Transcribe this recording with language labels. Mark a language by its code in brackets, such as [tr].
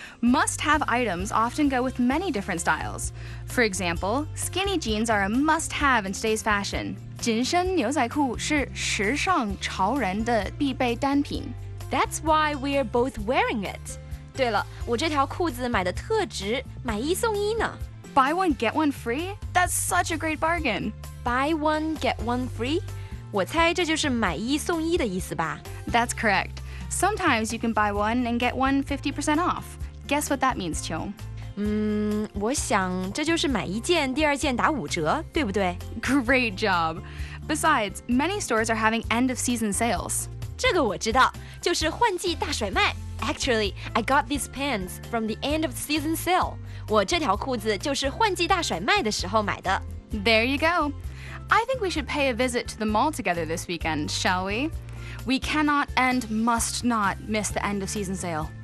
[en] Must-have items often go with many different styles. For example, skinny jeans are a must-have in today's fashion. [zh] 紧身牛仔裤是时尚潮人的必备单品。 [en] That's why we're both wearing it. [zh] 对了，我这条裤子买的特值，买一送一呢。 [en] Buy one, get one free? That's such a great bargain. Buy one, get one free? [zh] 我猜这就是买一送一的意思吧。 [en] That's correct. Sometimes you can buy one and get one 50% off. Guess what that means, Chiu? [zh] 我想这就是买一件第二件打五折，对不对？ [en] Great job. Besides, many stores are having end of season sales. [zh] 这个我知道，就是换季大甩卖。 [en] Actually, I got these pants from the end of season sale. [zh] 我这条裤子就是换季大甩卖的时候买的。 [en] There you go. I think we should pay a visit to the mall together this weekend, shall we? We cannot and must not miss the end of season sale.